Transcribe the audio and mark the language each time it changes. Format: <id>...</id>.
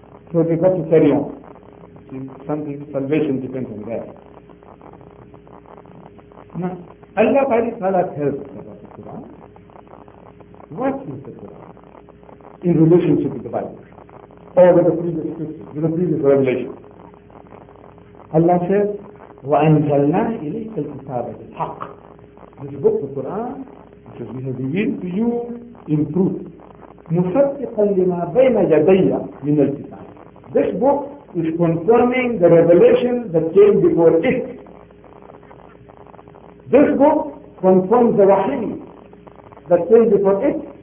<en>So they got to carry on. See, something, salvation depends on that. Now, Allah Ta'ala tells us about the Quran. What is the Quran in relationship with the Bible? Or with the previous scripture, with the previous revelation? Allah says,</en> <ar>وَأَنْزَلْنَا إِلَيْكَ الْكِتَابَ بِالْحَقِّ.</ar> <en>This book, the Quran, it says, we have revealed to you in truth.</en> <ar>مُصَدِّقًا لِمَا بَيْنَ يَدَيَّ مِنَ الْكِتَابِ.</ar> <en>This book is confirming the revelation that came before it. This book confirms the wahi that came before it.</en>